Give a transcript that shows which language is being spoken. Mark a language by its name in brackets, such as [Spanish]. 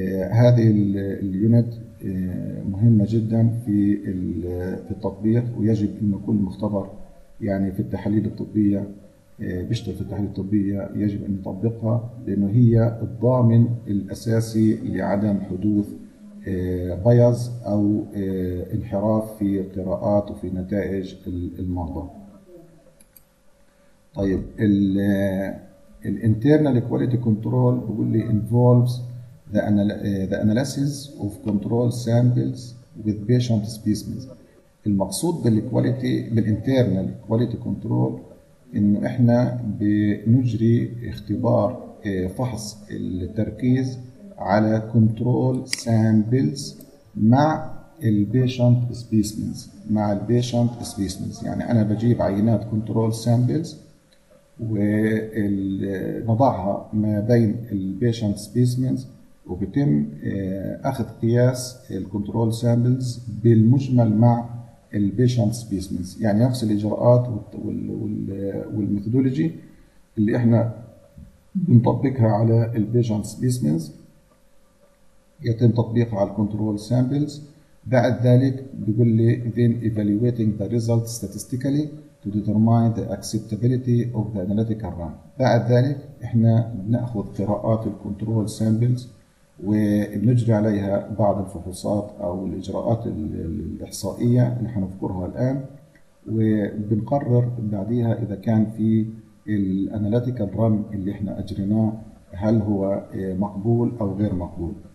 [Arabic] هذه اليونت مهمة جدا في التطبيق، ويجب أن كل مختبر يعني في التحاليل الطبية بيشتغل في التحاليل الطبية يجب أن يطبقها، لأنه هي الضامن الأساسي لعدم حدوث بايز أو انحراف في القراءات وفي نتائج المرضى. [English] طيب الـ internal quality control [Arabic] بيقول لي [English] involves the analysis of control samples with patient specimens. [Arabic] المقصود بالـ internal quality control إنه إحنا بنجري اختبار فحص التركيز على control samples مع الـ patient specimens. مع الـ patient specimens يعني أنا بجيب عينات control samples ونضعها ما بين البيشنت سبيسمنز، وبتم أخذ قياس الكنترول سامبلز بالمجمل مع البيشنت سبيسمنز، يعني نفس الإجراءات والميثودولوجي اللي إحنا بنطبقها على البيشنت سبيسمنز يتم تطبيقها على الكنترول سامبلز. بعد ذلك بيقول لي [English] then evaluating the result statistically to determine the acceptability of the analytical run. [Arabic] بعد ذلك احنا بناخذ قراءات الكنترول سامبلز وبنجري عليها بعض الفحوصات او الاجراءات الاحصائيه اللي حنذكرها الان، وبنقرر بعديها اذا كان في الاناليتيكال رن اللي احنا اجريناه هل هو مقبول او غير مقبول.